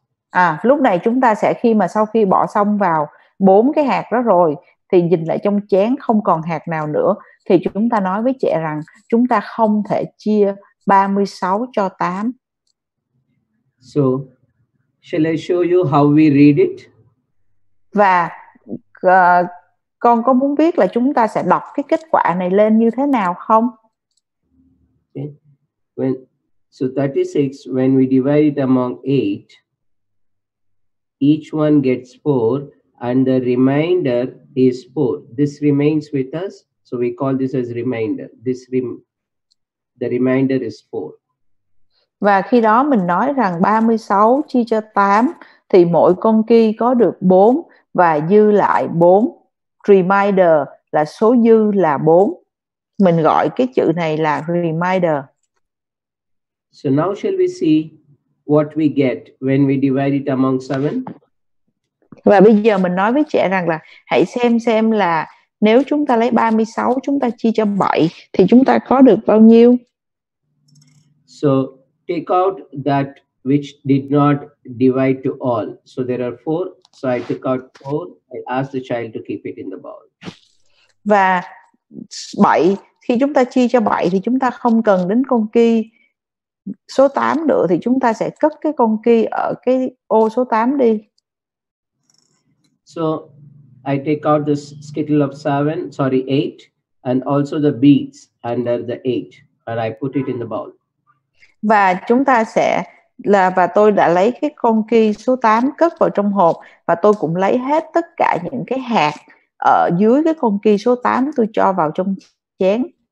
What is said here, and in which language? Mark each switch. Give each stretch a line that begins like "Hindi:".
Vietnamese: À, lúc này chúng ta sẽ khi mà sau khi bỏ xong vào 4 cái hạt đó rồi thì nhìn lại trong chén không còn hạt nào nữa thì chúng ta nói với trẻ rằng chúng ta không thể chia 36 cho 8.
English: So shall I show you how we read it?
Vietnamese: Và con có muốn biết là chúng ta sẽ đọc cái kết quả này lên như thế nào không?
English: Okay. So 36, when we divide it among 8, each one gets 4 and the remainder is 4. This remains with us, so we call this as remainder. The remainder is 4.
Vietnamese: Và khi đó mình nói rằng 36 chia cho 8 thì mỗi con key có được 4 và dư lại 4. Remainder là số dư là 4. Mình gọi cái chữ này là remainder.
English: So now shall we see what we get when we divide it among 7?
Vietnamese: Và bây giờ mình nói với trẻ rằng là hãy xem là nếu chúng ta lấy 36 chúng ta chia cho 7 thì chúng ta có được bao nhiêu?
English: So take out that which did not divide to all. So there are 4. So I took out 4. I asked the child to keep it in the bowl.
Vietnamese: Và 7, khi chúng ta chia cho 7 thì chúng ta không cần đến con key số 8 nữa thì chúng ta sẽ cất cái con key ở cái ô số 8 đi.
English: So I take out this skittle of 8 and also the beads under the 8 and I put it in the bowl.
Vietnamese: Và chúng ta sẽ là và tôi đã lấy cái con key số 8 cất vào trong hộp và tôi cũng lấy hết tất cả những cái hạt ở dưới cái con key số 8 tôi cho vào trong chén.